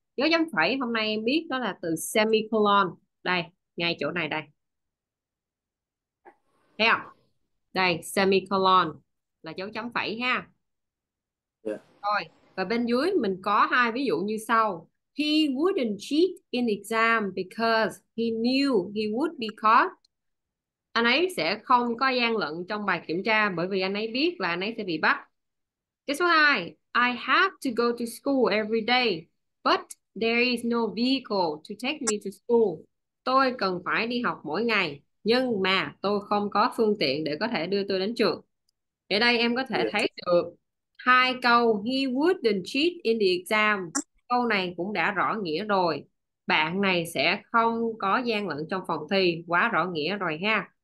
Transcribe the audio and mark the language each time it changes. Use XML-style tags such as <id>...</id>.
<vi>Dấu chấm phẩy hôm nay em biết đó là từ semicolon. Đây, ngay chỗ này đây. Thấy không? Đây, semicolon là dấu chấm phẩy ha. Rồi, và bên dưới mình có hai ví dụ như sau.</vi> <en>He wouldn't cheat in exam because he knew he would be caught.</en> <vi>Anh ấy sẽ không có gian lận trong bài kiểm tra bởi vì anh ấy biết là anh ấy sẽ bị bắt. Cái số 2,</vi> <en>I have to go to school every day, but there is no vehicle to take me to school.</en> <vi>Tôi cần phải đi học mỗi ngày, nhưng mà tôi không có phương tiện để có thể đưa tôi đến trường. Ở đây em có thể thấy được hai câu</vi> <en>he wouldn't cheat in the exam.</en> <vi>Câu này cũng đã rõ nghĩa rồi. Bạn này sẽ không có gian lận trong phòng thi, quá rõ nghĩa rồi ha.</vi>